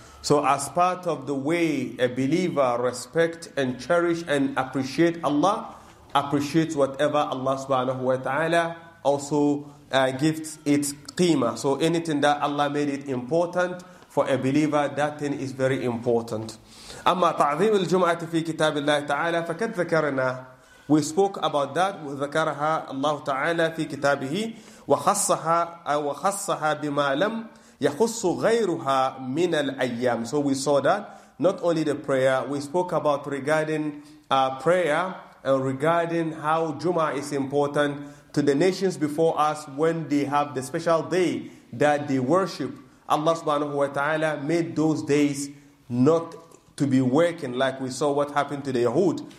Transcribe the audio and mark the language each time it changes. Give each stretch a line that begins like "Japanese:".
English: So as part of the way a believer respect and cherish and appreciate Allah, appreciates whatever Allah subhanahu wa ta'ala also gives its qeemah. So anything that Allah made it important for a believer, that thing is very important.
Arabic: أما تعظيم الجمعة في كتاب الله تعالى فقد ذكرنا.
English: We spoke about that.
Arabic: وذكرها الله تعالى في كتابه وخصها بما لم يخص غيرها من الأيام.
English: So we saw that. Not only the prayer. We spoke about regarding prayer and regarding how Jumu'ah is important to the nations before us when they have the special day that they worship. Allah subhanahu wa ta'ala made those days not to be working, like we saw what happened to the Yahud.